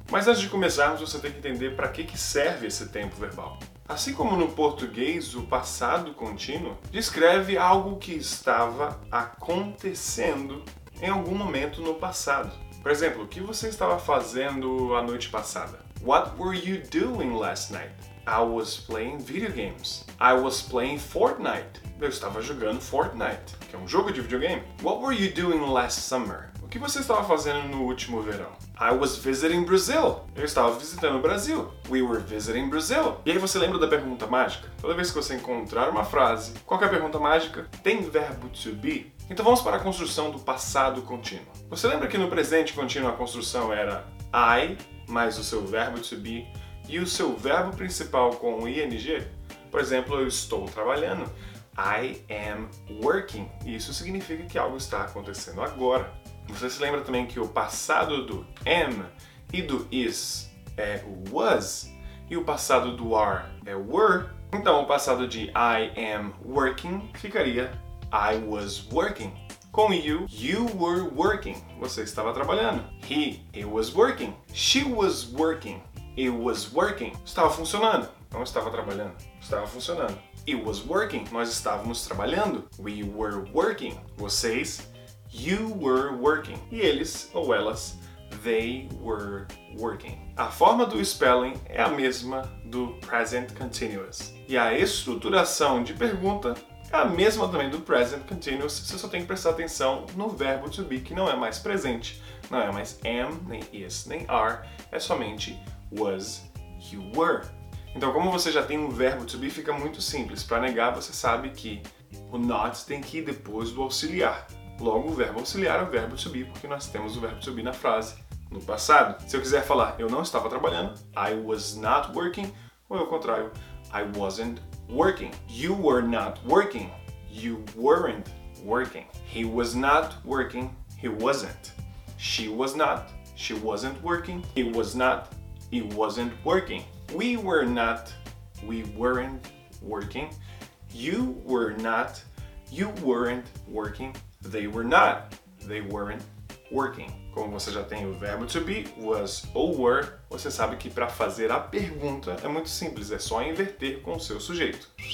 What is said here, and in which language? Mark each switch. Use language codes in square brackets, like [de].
[pt] Mas antes de começarmos, você tem que entender para que serve esse tempo verbal. Assim como no português, o passado contínuo descreve algo que estava acontecendo em algum momento no passado. Por exemplo, o que você estava fazendo a noite passada? [en] What were you doing last night? I was playing video games. I was playing Fortnite. [pt] Eu estava jogando Fortnite, que é um jogo de videogame. [en] What were you doing last summer? [pt] O que você estava fazendo no último verão? [en] I was visiting Brazil. [pt] Eu estava visitando o Brasil. [en] We were visiting Brazil. [pt] E aí você lembra da pergunta mágica? Toda vez que você encontrar uma frase, qual que é a pergunta mágica? Tem verbo to be? Então vamos para a construção do passado contínuo. Você lembra que no presente contínuo a construção era I mais o seu verbo to be e o seu verbo principal com ing? Por exemplo, eu estou trabalhando. [en] I am working. [pt] E isso significa que algo está acontecendo agora. Você se lembra também que o passado do am e do is é was e o passado do are é were? Então o passado de [en] I am working ficaria I was working. Com you, you were working. [pt] Você estava trabalhando. [en] He, it was working. She was working. It was working. [pt] Estava funcionando. Não estava trabalhando. Estava funcionando. [en] It was working. [pt] Nós estávamos trabalhando. [en] We were working. Vocês. You were working. [pt] E eles, ou elas, [en] they were working. [pt] A forma do spelling é a mesma do present continuous. E a estruturação de pergunta é a mesma também do present continuous. Você só tem que prestar atenção no verbo to be, que não é mais presente. Não é mais am, nem is, nem are. É somente was, you were. Então, como você já tem um verbo to be, fica muito simples. Para negar, você sabe que o not tem que ir depois do auxiliar. Logo, o verbo auxiliar é o verbo to be, porque nós temos o verbo to be na frase no passado. Se eu quiser falar, eu não estava trabalhando, [en] I was not working, [pt] ou ao contrário, [en] I wasn't working. You were not working, you weren't working. He was not working, he wasn't. She was not, she wasn't working. He was not, he wasn't working. We were not, we weren't working. You were not, you weren't working. They were not, they weren't working. [pt] Como você já tem o verbo to be, was ou were, você sabe que para fazer a pergunta é muito simples, é só inverter com o seu sujeito.